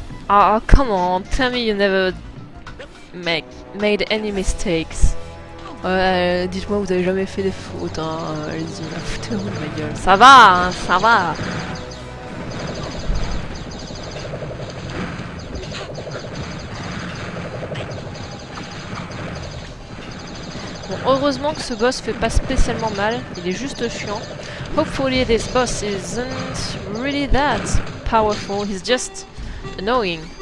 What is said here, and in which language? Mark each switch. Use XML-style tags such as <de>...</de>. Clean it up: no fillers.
<en>Oh, come on, tell me you never made any mistakes.</en> <fr>Dites-moi, vous avez jamais fait des fautes, hein. Allez-y, la foutez-vous de ma gueule. Ça va, hein, ça va. Bon, heureusement que ce boss fait pas spécialement mal, il est juste chiant.</fr> <en>Hopefully this boss isn't really that powerful, he's just annoying.</en>